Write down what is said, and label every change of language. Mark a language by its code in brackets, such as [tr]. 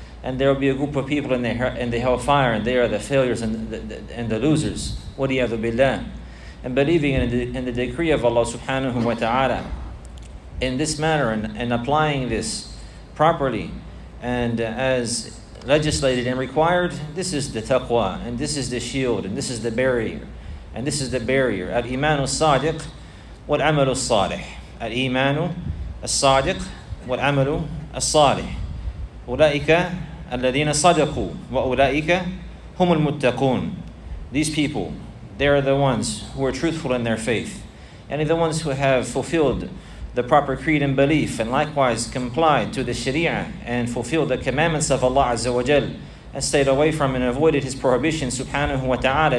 [en] and there will be a group of people in the hellfire and they are the failures and the losers, waliyadu billah, and believing in the decree of Allah subhanahu wa ta'ala in this manner and applying this properly and as legislated and required. This is the taqwa, and this is the shield, and this is the barrier, and this is the barrier. [ar] Al-imanu sadiq wal amalu salih. Al-imanu الصادق والعمل الصالح أولئك الذين صدقوا وأولئك هم المتقون. [en] These people, they are the ones who are truthful in their faith, and the ones who have fulfilled the proper creed and belief, and likewise complied to the Sharia and fulfilled the commandments of Allah Azza wa Jal and stayed away from and avoided His prohibition subhanahu wa ta'ala.